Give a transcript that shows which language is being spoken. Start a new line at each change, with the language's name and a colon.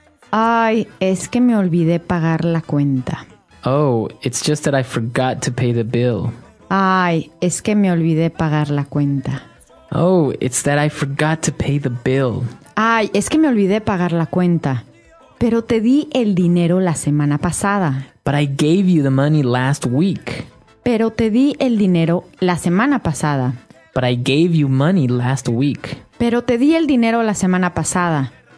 Spanish: Ay, es que me olvidé pagar la cuenta.
English: Oh, it's just that I forgot to pay the bill.
Spanish: Ay, es que me olvidé pagar la cuenta.
English: Oh, it's that I forgot to pay the bill.
Spanish: Ay, es que me olvidé pagar la cuenta. Pero te di el dinero la semana pasada.
English: But I gave you the money last week.
Spanish: Pero te di el dinero la semana pasada.
English: But I gave you money last week.
Spanish: Pero te di el dinero la semana pasada.